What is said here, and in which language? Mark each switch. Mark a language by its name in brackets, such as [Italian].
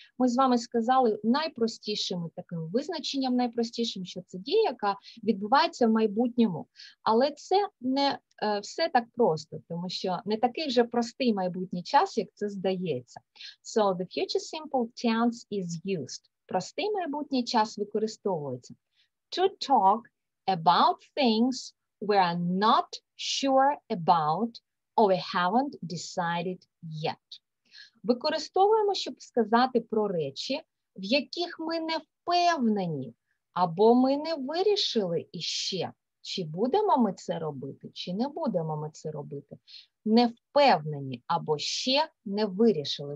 [Ukrainian] Ми з вами сказали найпростішим таким визначенням, найпростішим, що це дія, яка відбувається в майбутньому. Але це не все так просто, тому що не такий вже простий майбутній час, як це здається. [English] So the future simple tense is used. [Ukrainian] Простий майбутній час використовується. [English] To talk about things we are not sure about, or we haven't decided yet. [Ukrainian] Використовуємо, щоб сказати про речі, в яких ми не впевнені, або ми не вирішили іще, чи будемо ми це робити, чи не будемо ми це робити. Не впевнені, або ще не вирішили.